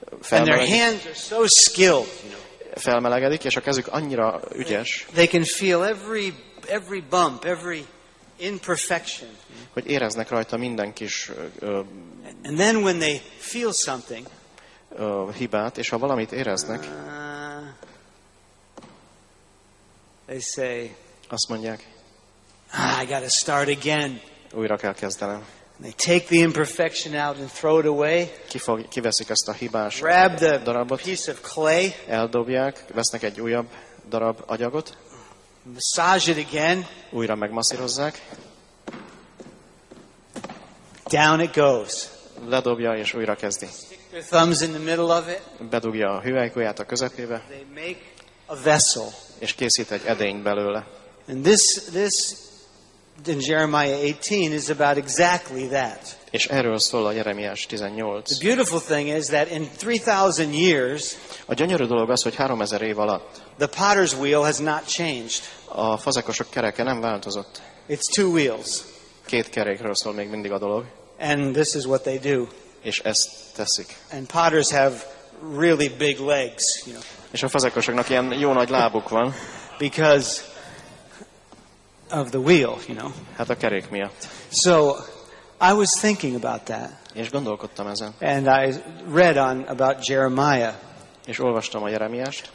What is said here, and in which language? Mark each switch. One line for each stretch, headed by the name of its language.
English: and their hands are so skilled, you know.
Hungarian: Felmelegedik, és a kezük annyira ügyes,
English: they can feel every bump, every imperfection.
Hungarian: Hogy éreznek rajta minden kis
English: and then when they feel something,
Hungarian: hibát, és ha valamit éreznek,
English: they say,
Hungarian: azt mondják,
English: I gotta start again.
Hungarian: Újra kell kezdenem.
English: They take the imperfection out and throw it away.
Hungarian: Kiveszik ezt a hibás darabot.
English: Piece of clay.
Hungarian: Eldobják, vesznek egy újabb darab agyagot.
English: Massage it again.
Hungarian: Újra megmasszírozzák.
English: Down it goes.
Hungarian: Ledobja és újra kezdi.
English: Stick their thumbs in the middle of it.
Hungarian: Bedugja a hüvelykujját a közepébe.
English: They make a vessel.
Hungarian: És készít egy edényt belőle.
English: And this in Jeremiah 18 is about exactly that.
Hungarian: És erről szól a Jeremiás 18.
English: The beautiful thing is that in 3,000 years,
Hungarian: a gyönyörű dolog az, hogy 3,000 év alatt,
English: the potter's wheel has not changed.
Hungarian: A fazekasok kereke nem változott.
English: It's two wheels.
Hungarian: Két kerékről szól még mindig a dolog.
English: And this is what they do.
Hungarian: És ezt teszik.
English: And potters have really big legs, you know.
Hungarian: És a fazekasoknak ilyen jó nagy lábuk van.
English: Because of the wheel, you know.
Hungarian: Hát a kerék miatt.
English: So I was thinking about that.
Hungarian: És gondolkodtam ezen.
English: And I read on about Jeremiah.
Hungarian: És olvastam a Jeremiást.